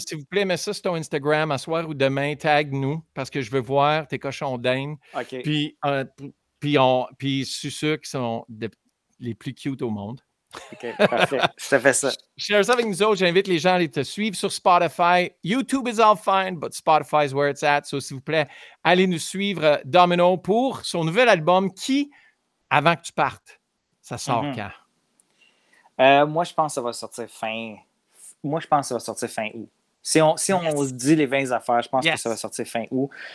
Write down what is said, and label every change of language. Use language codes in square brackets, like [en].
[fr] S'il vous plaît, mets ça sur ton Instagram à soir ou demain. Tag-nous parce que je veux voir tes cochons d'Inde. OK. Puis je suis sûr qu'ils sont les plus cute au monde. OK, parfait. Je te fais ça. Share ça avec nous autres. J'invite les gens à te suivre sur Spotify. [en] YouTube is all fine, but Spotify is where it's at. [fr] So, s'il vous plaît, allez nous suivre, Domino, pour son nouvel album qui, avant que tu partes, ça sort quand? Moi, je pense que ça va sortir fin août. Si on dit les 20 affaires, je pense que ça va sortir fin août.